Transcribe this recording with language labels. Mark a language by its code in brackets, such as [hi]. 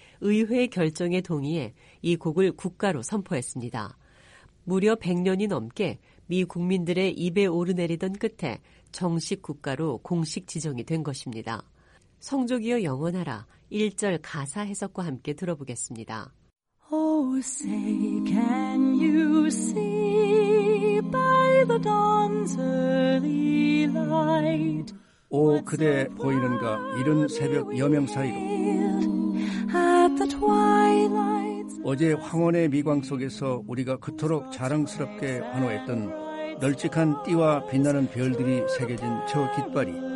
[ko] 의회 결정에 동의해 이 곡을 국가로 선포했습니다. 무려 100년이 넘게 미 국민들의 입에 오르내리던 끝에 정식 국가로 공식 지정이 된 것입니다. 성조기여 영원하라 1절 가사 해석과 함께 들어보겠습니다. [en] Oh, say can you see by the dawn's early light [ko] 오 그대 보이는가 이른 새벽 여명 사이로 [en] At the twilight's [ko] 어제 황혼의 미광 속에서 우리가 그토록 자랑스럽게 환호했던 널찍한 띠와 빛나는 별들이 새겨진 저 깃발이